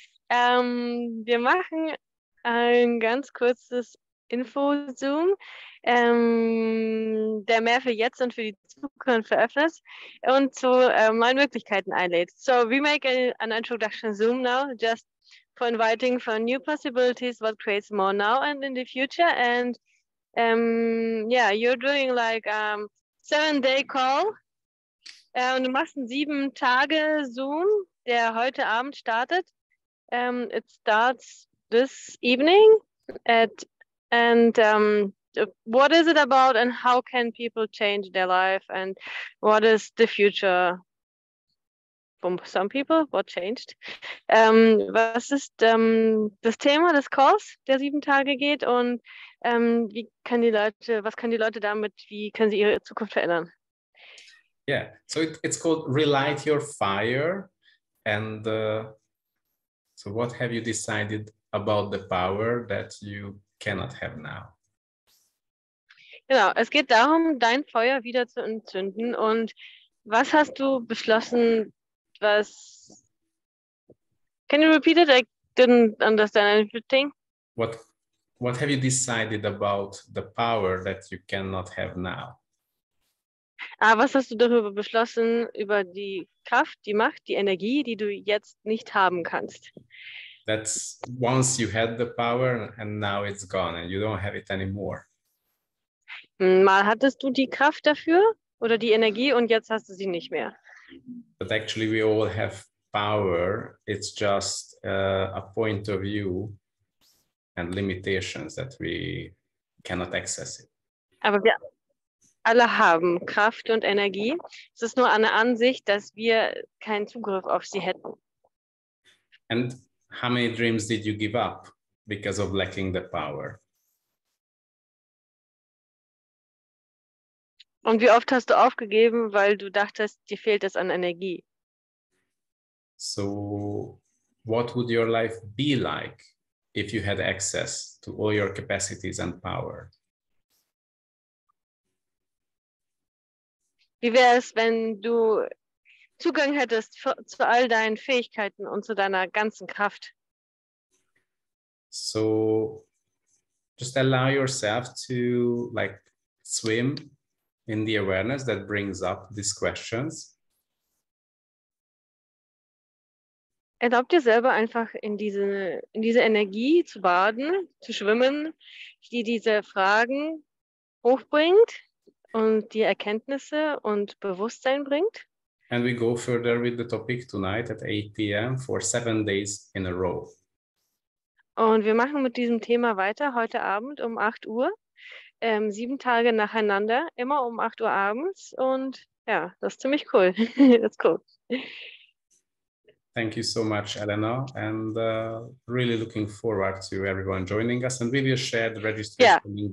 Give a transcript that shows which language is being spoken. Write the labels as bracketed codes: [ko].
[de] Wir machen ein ganz kurzes Info-Zoom, der mehr für jetzt und für die Zukunft öffnet und zu neuen Möglichkeiten einlädt. [en] So, we make an introduction Zoom now, just for inviting for new possibilities, what creates more now and in the future. And yeah, you're doing like a 7-day call. [de] Du machst einen 7-Tage-Zoom, der heute Abend startet. [en] It starts this evening at And what is it about, and how can people change their life, and what is the future for some people? What changed? Was ist das Thema des Calls, der 7 Tage geht, und was können die Leute damit, wie können sie ihre Zukunft verändern? Yeah, so it's called Relight Your Fire. And so, what have you decided about the power that you cannot have now? [de] Genau, es geht darum, dein Feuer wieder zu entzünden. Und was hast du beschlossen? Was? [en] Can you repeat it? I didn't understand anything. What have you decided about the power that you cannot have now? [de] Ah, was hast du darüber beschlossen, über die Kraft, die Macht, die Energie, die du jetzt nicht haben kannst? [en] That's once you had the power and now it's gone and you don't have it anymore. [de] Mal hattest du die Kraft dafür oder die Energie und jetzt hast du sie nicht mehr. [en] But actually we all have power. It's just a point of view and limitations that we cannot access it. [de] Aber wir alle haben Kraft und Energie. Es ist nur eine Ansicht, dass wir keinen Zugriff auf sie hätten. [en] And how many dreams did you give up because of lacking the power? [de] Und wie oft hast du aufgegeben, weil du dachtest, dir fehlt es an Energie? [en] So, what would your life be like if you had access to all your capacities and power? [de] Wie wäre es, wenn du Zugang hättest zu all deinen Fähigkeiten und zu deiner ganzen Kraft? [en] So just allow yourself to like swim in the awareness that brings up these questions. [de] Erlaub dir selber einfach in diese Energie zu baden, zu schwimmen, die diese Fragen hochbringt und die Erkenntnisse und Bewusstsein bringt. [en] And we go further with the topic tonight at 8 p.m. for 7 days in a row. [de] Und wir machen mit diesem Thema weiter heute Abend um 8 Uhr, 7 Tage nacheinander, immer um 8 Uhr abends. Und ja, das ist ziemlich cool. Das ist cool. [en] Thank you so much, Elena, and really looking forward to everyone joining us and we will share the registration